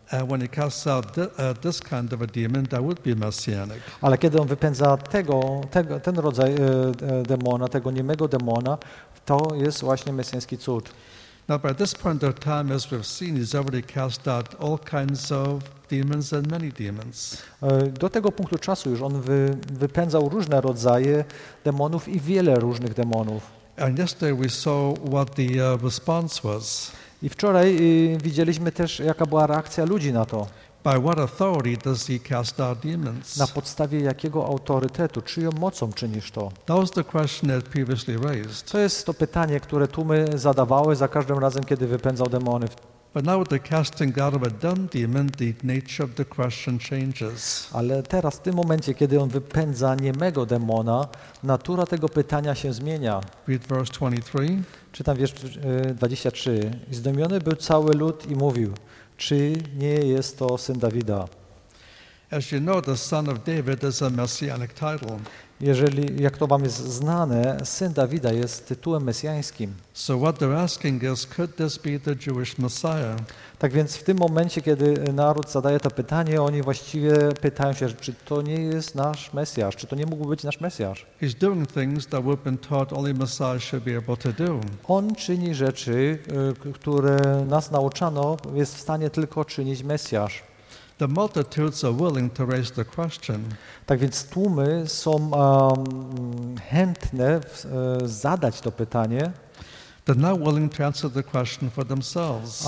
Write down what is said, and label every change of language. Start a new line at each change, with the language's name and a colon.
English: When he casts out this kind of a demon, that would be messianic.
Polish: Ale kiedy on wypędza ten rodzaj demona, tego niemego demona, to jest właśnie mesjański cud.
English: Now by this point of time, as we've seen, he's already cast out all kinds of demons and many demons.
Polish: Do tego punktu czasu już on wypędzał różne rodzaje demonów i wiele różnych demonów.
English: And yesterday we saw what the response was.
Polish: I wczoraj widzieliśmy też, jaka była reakcja ludzi na to.
English: By what authority does he cast out demons?
Polish: Na podstawie jakiego autorytetu, czyją mocą czynisz to?
English: That was the question that previously raised.
Polish: To jest to pytanie, które tłumy zadawały za każdym razem, kiedy wypędzał demony.
English: But now with the casting out of a dumb demon, the nature of the question changes.
Polish: Ale teraz, w tym momencie, kiedy on wypędza niemego demona, natura tego pytania się zmienia.
English: Read verse 23.
Polish: Czytam wiersz 23. I zdumiony był cały lud i mówił, czy nie jest to syn Dawida?
English: As you know, the son of David is a messianic title.
Polish: Jeżeli, jak to wam jest znane, syn Dawida jest tytułem mesjańskim.
English: So what they're asking is, could this be the Jewish Messiah?
Polish: Tak więc w tym momencie, kiedy naród zadaje to pytanie, oni właściwie pytają się, czy to nie jest nasz Mesjasz, czy to nie mógł być nasz Mesjasz?
English: He's doing things that we've been taught only Messiah should be able to do.
Polish: On czyni rzeczy, które nas nauczano, jest w stanie tylko czynić Mesjasz.
English: The multitudes are willing to raise the question.
Polish: Tak więc tłumy są chętne zadać to pytanie.
English: They're not willing to answer the question for themselves.